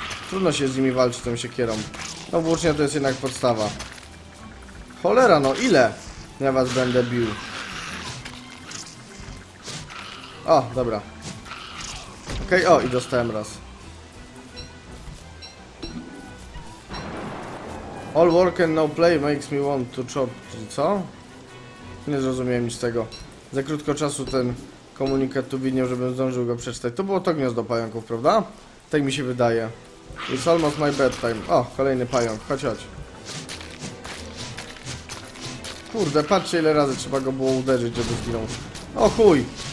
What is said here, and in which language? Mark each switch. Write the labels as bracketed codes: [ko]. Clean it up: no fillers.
[pl] Trudno się z nimi walczyć tą siekierą. No włócznia to jest jednak podstawa. Cholera, no ile ja was będę bił. O, dobra. Okej, okay, o i dostałem raz. [en] All work and no play makes me want to chop. [pl] Co? Nie zrozumiałem nic z tego. Za krótko czasu ten komunikat tu widniał, żebym zdążył go przeczytać. To było to gniazdo pająków, prawda? Tak mi się wydaje. [en] It's almost my bedtime. [pl] O, kolejny pająk, chodź, chodź. Kurde, patrzcie ile razy trzeba go było uderzyć, żeby zginął. O chuj!